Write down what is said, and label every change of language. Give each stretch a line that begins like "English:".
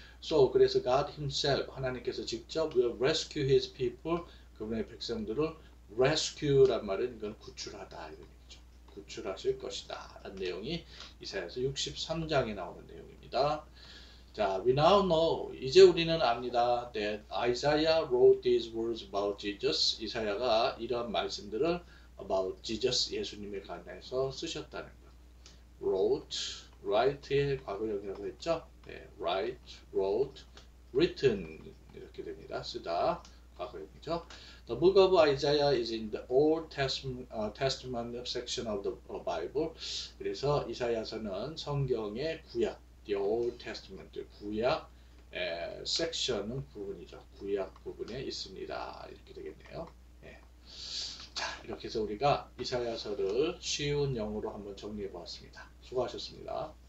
Korean: So, 그래서
English: God Himself,
Korean: 하나님께서 직접
English: will rescue His people,
Korean: 그분의 백성들을 rescue란 말은 이건 구출하다. 이런 구출하실 것이다. 라는 내용이 이사야서 63장에 나오는 내용입니다. 자,
English: we now know,
Korean: 이제 우리는 압니다.
English: That Isaiah wrote these words about Jesus.
Korean: 이사야가 이런 말씀들을
English: about Jesus,
Korean: 예수님에 관해서 쓰셨다는 것. Write의 과거형이라고 했죠? 네, write, wrote, written 이렇게 됩니다. 쓰다. 과거형이죠.
English: The book of Isaiah is in the Old Testament section of the Bible.
Korean: 그래서 이사야서는 성경의 구약, the Old Testament, 구약 section은 부분이죠. 구약 부분에 있습니다. 이렇게 되겠네요. 자, 이렇게 해서 우리가 이사야서를 쉬운 영어로 한번 정리해 보았습니다. 수고하셨습니다.